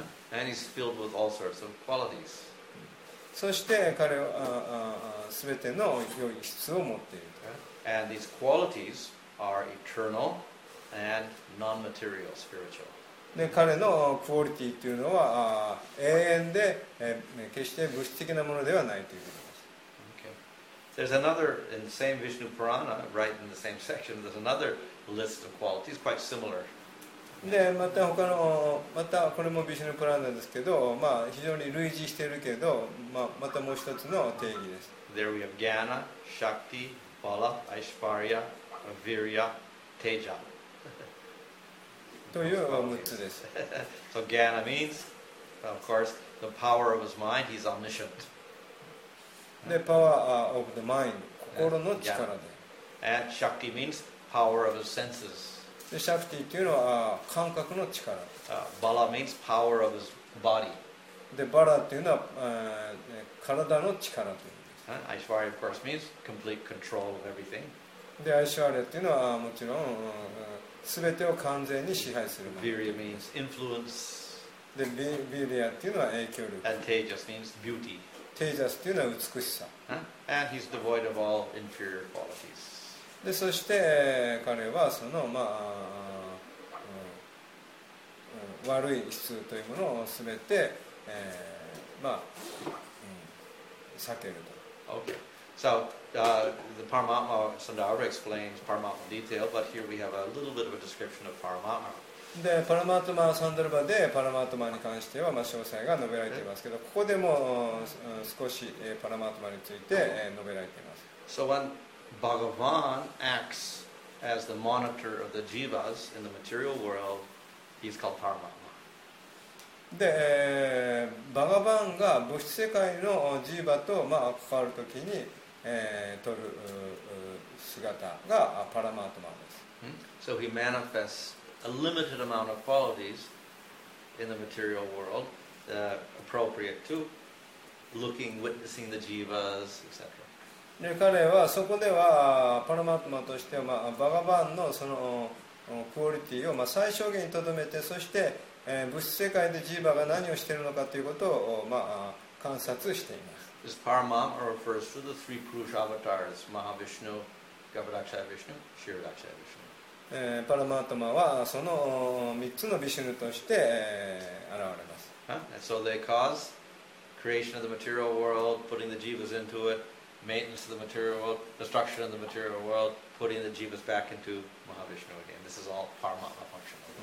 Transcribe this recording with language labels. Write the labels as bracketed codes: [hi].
[en] And he's filled with all sorts of qualities. [ja] そして彼は全ての良い質を持っている。 [en] And these qualities are eternal and non-material spiritual. [ja] で彼のクオリティというのは永遠で決して物質的なものではないということです。 [en] Okay. There's another in the same Vishnu Purana, right in the same section. There's another list of qualities quite similar. [ja] でまた他のまたこれもビシュヌプラーナですけど、まあ非常に類似しているけど、まあ、またもう一つの定義です。 [en] There we have Jnana, Shakti, Bala, Aishvarya, Virya, Teja. [ja] という6つです。 [en] So Jnana means, of course, the power of his mind. He's omniscient. The power of the mind, [ja] 心の力で。 [en] And Shakti means power of his senses. [ja] Shakti というのは感覚の力。 [en] Bala means power of his body. [ja] The Bala というのは体の力という。 [en] Aishwarya, of course, means complete control of everything. [ja] The Aishwarya というのはもちろん。全てを完全に支配する。 [en] Virya means influence. [ja] で、Virya というのは影響力。 [en] And Tejas means beauty. [ja] Tejas というのは美しさ。 [en] And he's devoid of all inferior qualities. [ja] で、そして彼はそのまあ悪い質というものを全て、まあ避けると。 [en] Okay. So, the Paramatma Sundara explains Paramatma in detail, but here we have a little bit of a description of Paramatma. [ja] で、パラマトマサンダルバでパラマトマに関しては、まあ、詳細が述べられていますけど、ここでも少しパラマトマについて述べられています。 [en] So when Bhagavan acts as the monitor of the jivas in the material world, he's called Paramatma. [ja] で、バガバンが物質世界のジーバと、まあ、関わるときに取る姿がパラマートマンです。 [en] So he manifests a limited amount of qualities in the material world, appropriate to looking, witnessing the jivas, etc. [ja] で彼はそこではパラマートマンとしては、まあ、バガバンのそのクオリティを、まあ、最小限にとどめて、そして、物質世界でジーバが何をしているのかということを、まあ、観察しています。 [en] This Paramatma refers to the three Purusha avatars, Mahavishnu, Gavadakshaya Vishnu, Shiradakshaya Vishnu. [ja] Paramatma はその3つのビシュヌとして現れます。 [en] So they cause creation of the material world, putting the jivas into it, maintenance of the material world, destruction of the material world, putting the jivas back into Mahavishnu again. This is all Paramatma function.